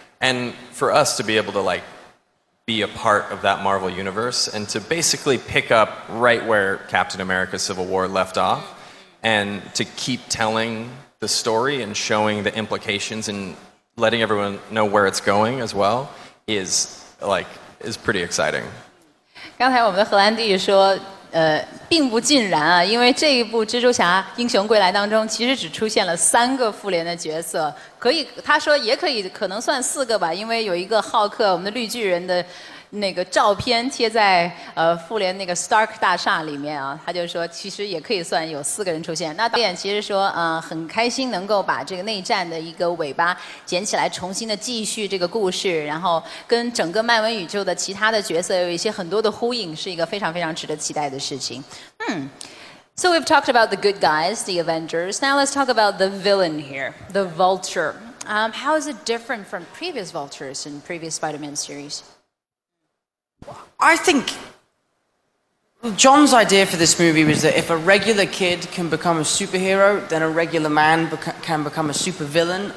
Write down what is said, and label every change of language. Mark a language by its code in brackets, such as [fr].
[en] And for us to be able to, like, be a part of that Marvel universe and to basically pick up right where Captain America Civil War left off and to keep telling the story and showing the implications and letting everyone know where it's going as well is, like, is pretty exciting. [zh] 刚才我们的荷兰弟说 并不尽然啊, 因为这一部蜘蛛侠英雄归来当中其实只出现了三个复联的角色, 可以, 他说也可以, 可能算四个吧, 因为有一个浩克, 我们的绿巨人的那个照片贴在, 复联那个Stark大厦里面啊, 他就说, 其实也可以算有四个人出现, 那导演其实说, 很开心能够把这个内战的一个尾巴 捡起来, 重新的继续这个故事, 然后跟整个漫威宇宙的其他的角色有一些很多的呼应, 是一个非常非常值得期待的事情。 [en] So we've talked about the good guys, the Avengers. Now let's talk about the villain here, the Vulture. How is it different from previous Vultures in previous Spider-Man series? I think John's idea for this movie was that if a regular kid can become a superhero, then a regular man can become a supervillain.